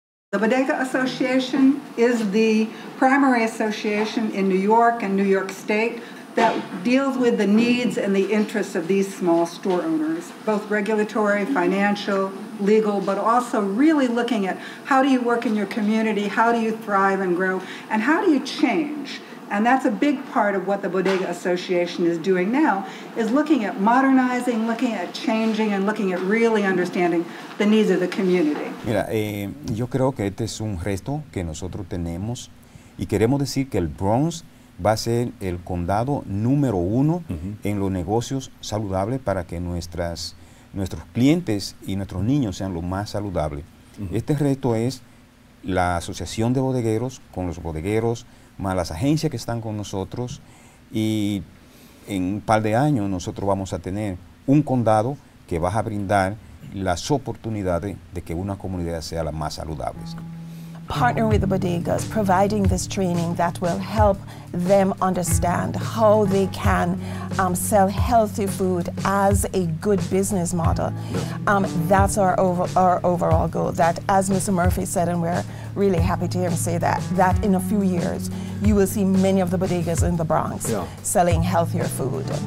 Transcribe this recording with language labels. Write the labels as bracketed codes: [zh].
[en] The Bodega Association is the primary association in New York and New York State that deals with the needs and the interests of these small store owners, both regulatory, financial, legal, but also really looking at how do you work in your community, how do you thrive and grow, and how do you change? And that's a big part of what the Bodega Association is doing now, is looking at modernizing, looking at changing, and looking at really understanding the needs of the community. [es] Mira, yo creo que este es un reto que nosotros tenemos, y queremos decir que el Bronx va a ser el condado número uno en los negocios saludables para que nuestros clientes y nuestros niños sean lo más saludables. Este reto es la asociación de bodegueros con los bodegueros, más las agencias que están con nosotros, y en un par de años nosotros vamos a tener un condado que va a brindar las oportunidades de que una comunidad sea la más saludable. [en] Partnering with the bodegas, providing this training that will help them understand how they can sell healthy food as a good business model. That's our overall goal, that as Mr. Murphy said, and we're really happy to hear him say that, that in a few years, you will see many of the bodegas in the Bronx selling healthier food.